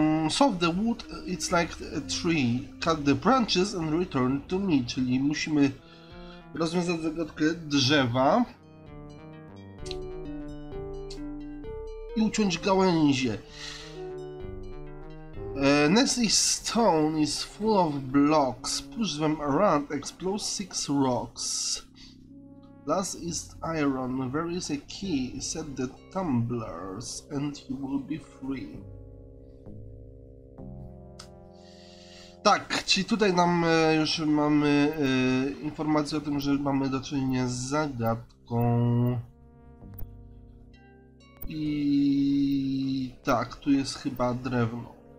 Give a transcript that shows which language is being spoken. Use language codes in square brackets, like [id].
[en] Solve the wood, it's like a tree. Cut the branches and return to me. [pl] Czyli musimy rozwiązać zagadkę drzewa i uciąć gałęzie. [en] Nessie's stone is full of blocks. Push them around, explode six rocks. Last is iron. There is a key. Set the tumblers and you will be free. [pl] Tak, czyli tutaj nam już mamy informację o tym, że mamy do czynienia z zagadką. I tak, tu jest chyba drewno.